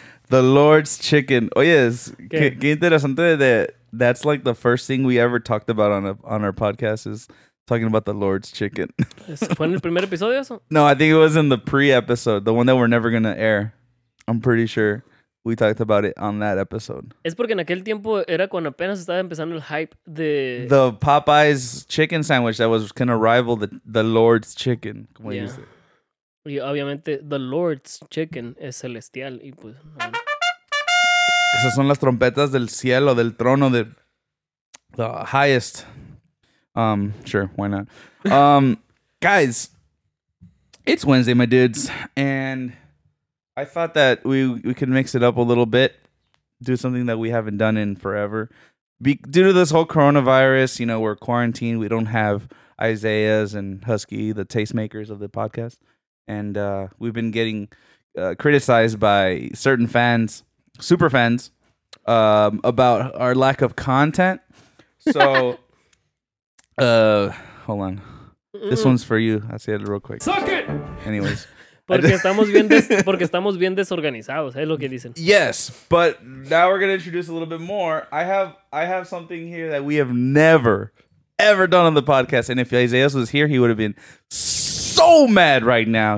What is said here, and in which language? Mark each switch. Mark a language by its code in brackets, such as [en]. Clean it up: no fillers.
[en] The Lord's chicken. [es] Oye, es que interesante [en] that's like the first thing we ever talked about on our podcast is talking about the Lord's chicken. [es] ¿Fue en el primer episodio eso? [en] No, I think it was in the pre-episode, the one that we're never going to air. I'm pretty sure. We talked about it on that episode. [es] Es porque en aquel tiempo era cuando apenas estaba empezando el hype de... [en] The Popeye's chicken sandwich that was going to rival the Lord's chicken. [es] ¿Cómo [en] yeah. [es] dice? Y obviamente, the Lord's chicken es celestial y pues... Esas son las trompetas del cielo, del trono, de [en] the highest. Sure, why not? guys, it's Wednesday, my dudes, and... I thought that we could mix it up a little bit, do something that we haven't done in forever. Due to this whole coronavirus, you know, we're quarantined. We don't have Isaiah's and Husky, the tastemakers of the podcast. And we've been getting criticized by certain fans, super fans, about our lack of content. So, hold on. This one's for you. I'll say it real quick. Suck it! Anyways. [es] Porque estamos bien desorganizados, es lo que dicen. [en] Yes, but now we're going to introduce a little bit more. I have something here that we have never ever done on the podcast. And if Isaias was here, he would have been so mad right now.